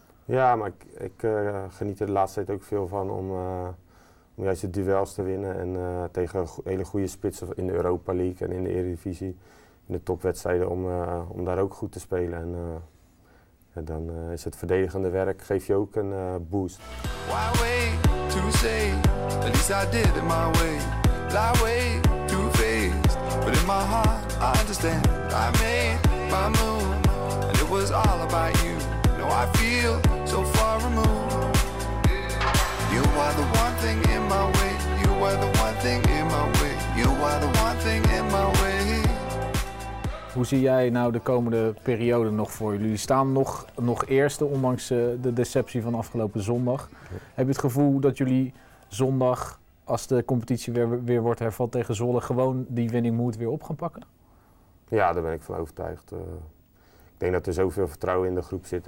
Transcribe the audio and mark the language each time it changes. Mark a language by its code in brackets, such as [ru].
[nl] Ja, maar ik geniet er de laatste tijd ook veel van om, om juist de duels te winnen. En tegen hele goede spitsen in de Europa League en in de Eredivisie. In de topwedstrijden om daar ook goed te spelen. En dan is het verdedigende werk, geef je ook een boost. [en] Why wait to say, at least I did it my way. But I wait to face, but in my heart I understand. I made my move, and it was all about you. Now I feel so far removed. You are the one thing in my way. You are the one thing in my way. You are the one thing in my way. [nl] Hoe zie jij nou de komende periode nog voor jullie? Jullie staan nog eerste, ondanks de deceptie van afgelopen zondag. Ja. Heb je het gevoel dat jullie zondag, als de competitie weer wordt hervat tegen Zwolle, gewoon die winning moet weer op gaan pakken? Ja, daar ben ik van overtuigd. Ik denk dat er zoveel vertrouwen in de groep zit.